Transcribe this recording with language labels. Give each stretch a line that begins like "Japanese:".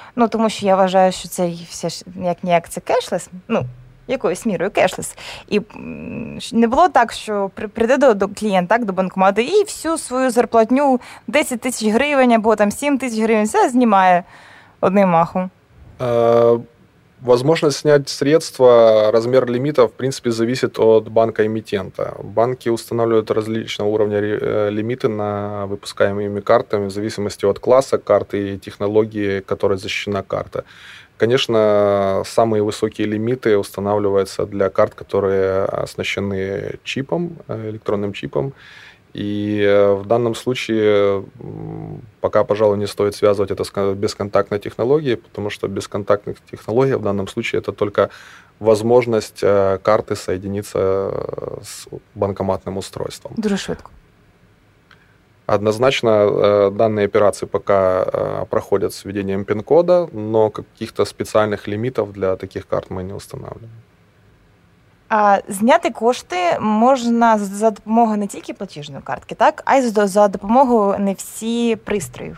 Ukrainian: Ну, тому що я вважаю, що це все ж, як-ніяк, це кешлес, ну, якоюсь мірою кешлес. І не було так, що прийде до клієнта, так, до банкомату, і всю свою зарплатню, 10 тисяч гривень або там 7 тисяч гривень, все знімає одним махом.
Russian: Возможность снять средства, размер лимита, в принципе, зависит от банка-эмитента. Банки устанавливают различного уровня лимиты на выпускаемые ими картами в зависимости от класса карты и технологии, которой защищена карта. Конечно, самые высокие лимиты устанавливаются для карт, которые оснащены чипом, электронным чипом. И в данном случае пока, пожалуй, не стоит связывать это с бесконтактной технологией, потому что бесконтактная технология в данном случае это только возможность карты соединиться с банкоматным устройством. Дружишь? Однозначно данные операции пока проходят с введением пин-кода, но каких-то специальных лимитов для таких карт мы не устанавливаем.
Ukrainian: А зняти кошти можна за допомогою не тільки платіжної картки, так, а й за допомогою не всі пристроїв.